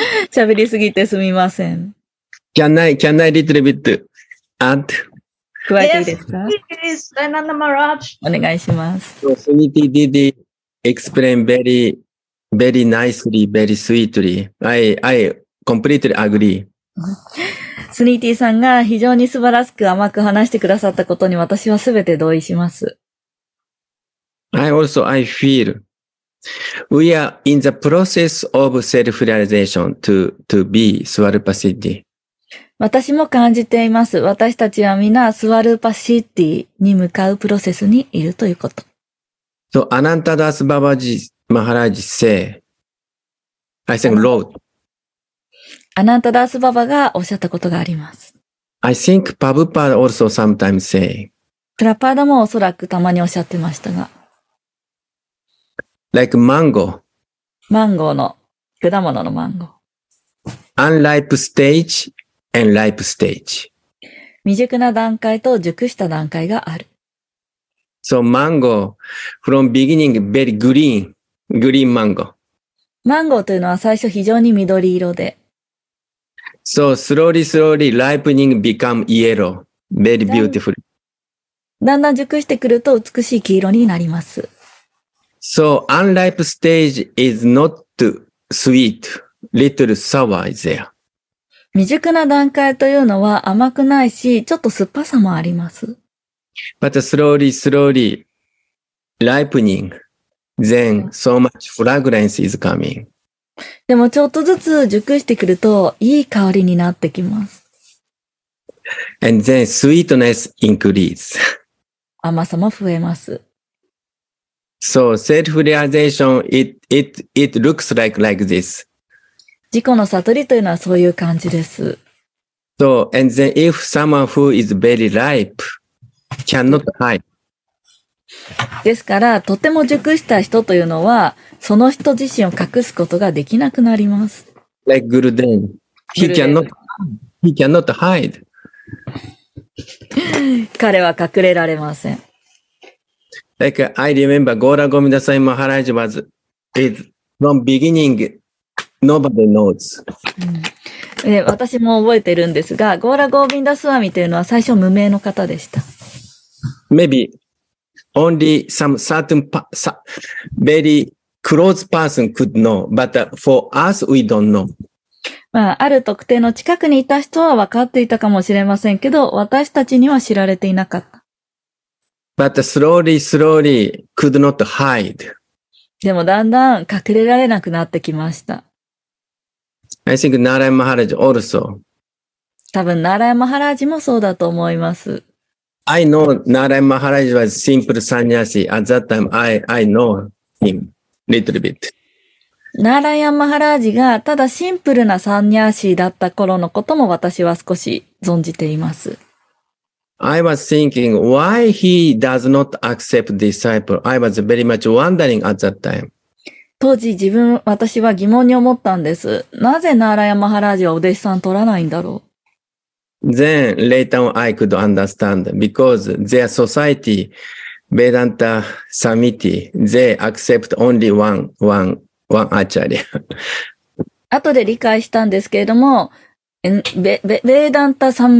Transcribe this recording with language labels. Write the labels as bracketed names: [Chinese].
[Japanese] 喋りすぎてすみません。 [English] Can I little bit add? [Japanese] 加えていいですか [English] Yes, please, Jayananda Maharaj. [Japanese] お願いします。 [English] Suniti did explain very, very nicely, very sweetly. I completely agree. [Japanese] Suniti さんが非常に素晴らしく甘く話してくださったことに私はすべて同意します。 [English] I feel we are in the process of self-realization to be Swarupa Siddhi. [Japanese] 私も感じています。私たちはみんなSwarupa Siddhiに向かうプロセスにいるということ。 [English] So, Ananta Das Babaji Maharaj say, I think wrote. [Japanese] Ananta Das Baba がおっしゃったことがあります。 [English] I think Prabhupada also sometimes say. [Japanese] プラパダもおそらくたまにおっしゃってましたが。 [English] Like mango. [Japanese] マンゴーの、果物のマンゴー。 [English] Unripe stage and ripe stage. [Japanese] 未熟な段階と熟した段階がある。 [English] So mango, from beginning very green, green mango. [Japanese] マンゴーというのは最初非常に緑色で。 [English] So slowly, slowly, ripening become yellow, very beautiful. [Japanese] だんだん熟してくると美しい黄色になります。 [English] So unripe stage is not sweet, little sour is there. [Japanese] 未熟な段階というのは甘くないし、ちょっと酸っぱさもあります。 [English] But slowly, slowly, ripening, then so much fragrance is coming. [Japanese] でもちょっとずつ熟してくるといい香りになってきます。 [English] And then sweetness increase. [Japanese] 甘さも増えます。 [English] So self-realization, it looks like this. [Japanese] 自己の悟りというのはそういう感じです。 [English] So, and then if someone who is very ripe,cannot hide. [Japanese] ですから、とても熟した人というのは、その人自身を隠すことができなくなります。 [English] Like Gurudev. He cannot hide. [Japanese] 彼は隠れられません。 [English] Like I remember Gaura Govindasai Maharaj was, is from beginning, nobody knows.、 [Japanese] うん、私も覚えてるんですが、Gaura Govindaswami というのは最初無名の方でした。 [English] Maybe only some certain very close person could know, but for us, we don't know. [Japanese] まあ、ある特定の近くにいた人は分かっていたかもしれませんけど、私たちには知られていなかった。 [English] But slowly, slowly could not hide. [Japanese] でもだんだん隠れられなくなってきました。 [English] I think Narayan Maharaj also. [Japanese] 多分、Narayan Maharaj もそうだと思います。 [English] I know Narayan Maharaj was simple sannyasi. At that time, I know him little bit. [Japanese] Narayan Maharaj がただシンプルなサンニャーシーだった頃のことも私は少し存じています。 [English] I was thinking why he does not accept disciple. I was very much wondering at that time. [Japanese] 当時私は疑問に思ったんです。なぜ Narayan Maharaj はお弟子さん取らないんだろう。 [English] Then later on I could understand because their society, Vedanta Samiti, they accept only one acharya. [Japanese] 後で理解したんですけれども、Vedanta